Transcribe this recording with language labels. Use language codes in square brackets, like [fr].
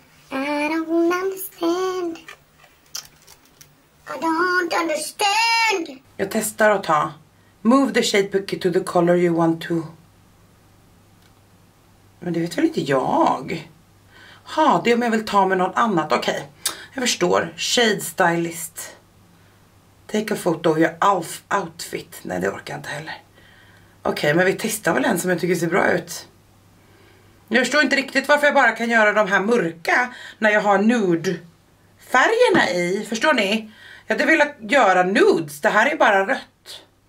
[en] I don't understand. I don't understand. [sv] Jag testar att ta. [en] Move the shade bucket to the color you want to. [sv] Men det vet väl inte jag. Ha, det är om jag vill ta med något annat. Okej, okay. Jag förstår. Shade stylist. [en] Take a photo of your outfit. [sv] Nej, det orkar jag inte heller. Okej, okay, men vi testar väl en som jag tycker ser bra ut. Jag förstår inte riktigt varför jag bara kan göra de här mörka. När jag har nude färgerna i. Förstår ni? Jag vill göra nudes. Det här är bara rött.